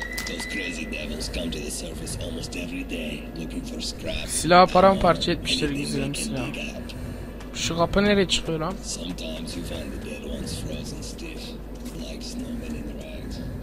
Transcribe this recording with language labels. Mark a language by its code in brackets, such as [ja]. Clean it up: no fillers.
[en] Those crazy devils come to the surface almost every day looking for scrap. [tr] Silahı paramparça etmişler güzelim silah. Şu kapı nereye çıkıyor lan? [en] Sometimes you find the dead ones frozen stiff like snowmen in the rack.